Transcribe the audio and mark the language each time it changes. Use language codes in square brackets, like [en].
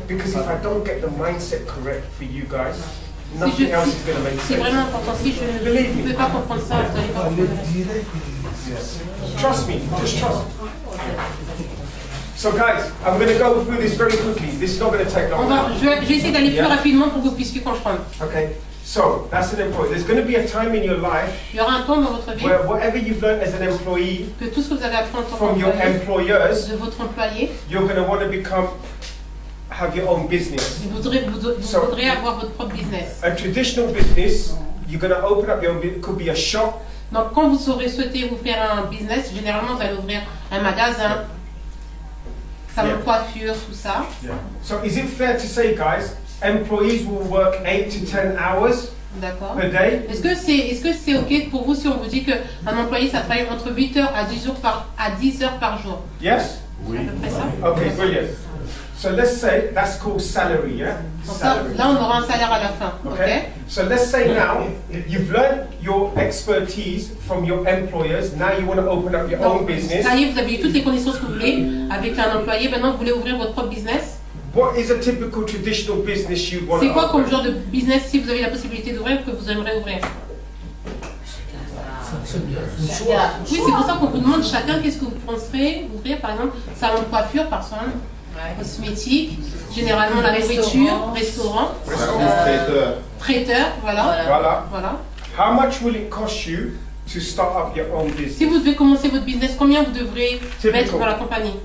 [en] Because if I don't get the mindset correct for you guys, nothing [fr] si je, [en] else is going to make sense. Trust me. Just trust. So guys, I'm going to go through this very quickly. This is not going to take long. [fr] Je vais essayer d'aller plus rapidement pour que vous puissiez comprendre. [en] Okay. So that's an employee. There's going to be a time in your life. [fr] Il y aura un temps dans votre vie. [en] Where whatever you've learned as an employee. [fr] Que tout ce que vous avez appris en tant que [en] from your employers. [fr] De votre employé. [en] You're going to want to become have your own business. [fr] Vous voudrez avoir votre propre business. [en] A traditional business, you're going to open up your own. Could be a shop. [fr] Donc quand vous aurez souhaité vous faire un business, généralement vous allez ouvrir un magasin. Ça me coiffure, tout ça. [en] Yeah. So is it fair to say, guys, employees will work 8 to 10 hours [fr] d'accord. [en] per day? [fr] Est-ce que c'est ok pour vous si on vous dit que un employé ça travaille entre 8 heures à 10 heures par jour? [en] Yes. [fr] Oui. [en] Okay, brilliant. So let's say that's called salary, yeah. Salary. [fr] Là, on aura un salaire à la fin. [en] Okay. So let's say now you've learned your expertise from your employers. Now you want to open up your [fr] donc, [en] own business. [fr] Ça y est, vous avez eu toutes les connaissances que vous voulez avec un employé. Maintenant, vous voulez ouvrir votre propre business. [en] What is a typical traditional business you want? [fr] C'est quoi comme genre de business si vous avez la possibilité d'ouvrir que vous aimeriez ouvrir? Oui, c'est pour ça qu'on vous demande chacun qu'est-ce que vous penserez ouvrir, par exemple, salon de coiffure, par soin. Cosmétiques, généralement la nourriture, restaurant, traiteur, voilà. [en] How much will it cost you to start up your own business? [fr] Si vous devez commencer votre business, combien vous devrez mettre dans la compagnie?